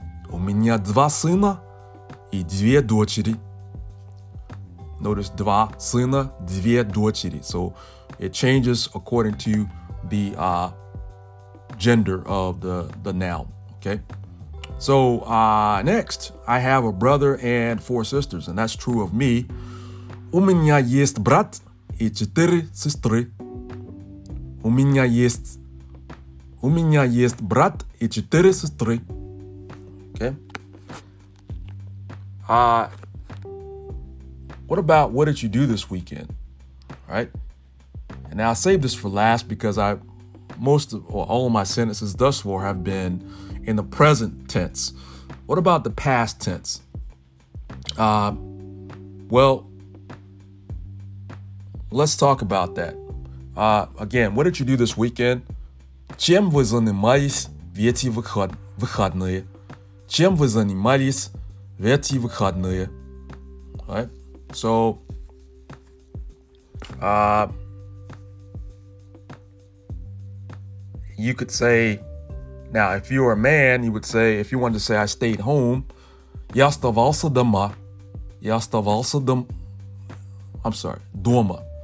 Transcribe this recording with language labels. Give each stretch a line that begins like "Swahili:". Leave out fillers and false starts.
Russian: У меня два сына и две дочери.
English: Notice
Russian: два сына, две дочери.
English: So it changes according to the gender of the noun. Okay. So next, I have a brother and four sisters, and that's true of me.
Russian: У меня есть брат. И четыре сестры. У меня есть брат и четыре сестры.
English: Okay. What about what did you do this weekend? All right. And now I save this for last because all of my sentences thus far have been in the present tense. What about the past tense? Let's talk about that. Again, what did you do this weekend?
Russian: Чем вы занимались в эти выходные? Чем вы занимались в эти выходные?
English: All right. So, you could say, now, if you were a man, you would say, if you wanted to say, I stayed home.
Russian: Я оставался дома.
English: I'm sorry, дома.